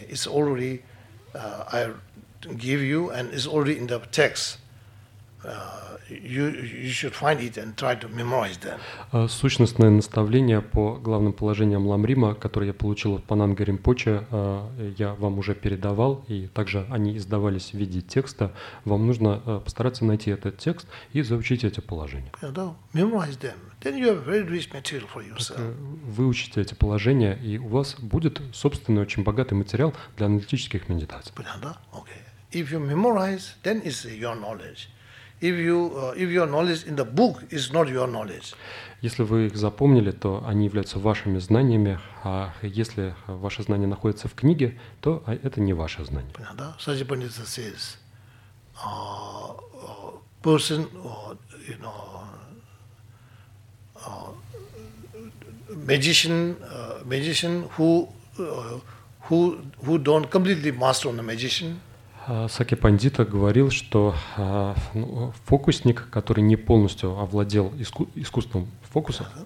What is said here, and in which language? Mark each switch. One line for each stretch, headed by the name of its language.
English: It's already I give you, and it's already in the text. You should find it and try to memorize them.
Russian: Сущностное наставление по главным положениям ламрима, которые я получил от Пананга Ринпоче, я вам уже передавал, и также они издавались в виде текста. Вам нужно постараться найти этот текст и заучить эти положения.
English: Yeah, да. Memorize them. Then you have very rich material for yourself.
Russian: Выучите эти положения, и у вас будет собственный очень богатый материал для аналитических медитаций. Понятно, да?
English: Okay. If you memorize, then it's your knowledge. If your knowledge in the book is not your knowledge.
Russian: Если вы их запомнили, то они являются вашими знаниями, а если ваше знание находится в книге, то это не ваше знание. Понятно, да?
English: Саджи Пандита says, person, you know, magician who don't completely master on the magician.
Russian: Саки Пандита говорил, что фокусник, который не полностью овладел искусством фокуса.